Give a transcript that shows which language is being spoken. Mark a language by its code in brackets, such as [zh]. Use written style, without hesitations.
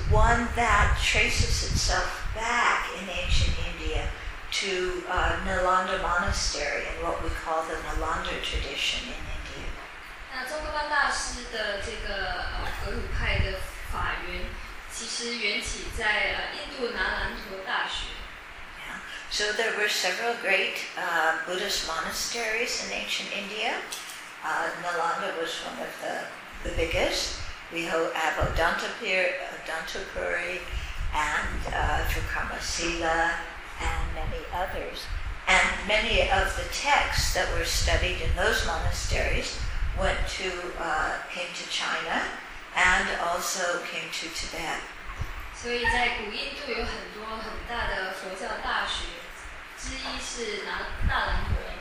[en] One that traces itself back in ancient India to Nalanda Monastery and what we call the Nalanda tradition in India. [zh] 那宗喀巴大师的这个格鲁派的法源，其实源起在印度南兰陀大学。 Yeah. [en] So there were several great Buddhist monasteries in ancient India. Nalanda was one of the biggest. We have Odantapuri and Vikramasila and many others. And many of the texts that were studied in those monasteries came to China and also came to Tibet. [zh] 所以在古印度有很多很大的佛教大学，之一是大兰陀。